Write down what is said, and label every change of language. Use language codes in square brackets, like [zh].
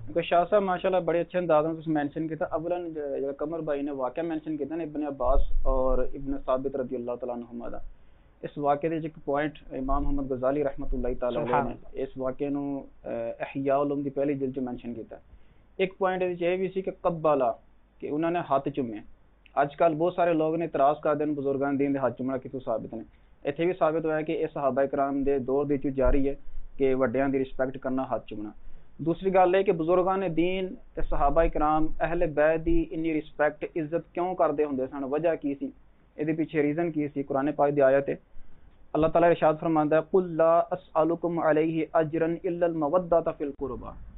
[pa] شاہ صاحب ماشاء اللہ بڑے اچھے انداز میں اس مینشن کیا تھا. اولاً قمر بھائی نے واقعہ مینشن کیا تھا نا ابن عباس اور ابن ثابت رضی اللہ تعالیٰ عنہ, اس واقعے دے ایک پوائنٹ امام محمد غزالی رحمۃ اللہ تعالیٰ نے اس واقعے نو احیاء العلوم دی پہلی جلد مینشن کیا. ایک پوائنٹ یہ بھی سی کہ قبالا کہ انہوں نے ہاتھ چومے. اج کل بہت سارے لوگ نے اعتراض کر دین بزرگان دین دے ہاتھ چومنا کتوں ثابت نے. اتنے بھی ثابت ہوا کہ یہ صحابہ کرام دے دور دے وچ جاری ہے کہ وڈیاں دی رسپیکٹ کرنا, ہاتھ چومنا. دوسری گل ہے کہ بزرگان دین تے صحابہ کرام اہل بیت دی انی رسپیکٹ عزت کیوں کردے ہوندے سن, وجہ کی سی, یہ پیچھے ریزن کی سی. قرآن پاک دی آیت ہے, اللہ تعالیٰ ارشاد فرماتا ہے [ar] قل لا اسألکم علیہ اجرن الا المودۃ فی القربٰ.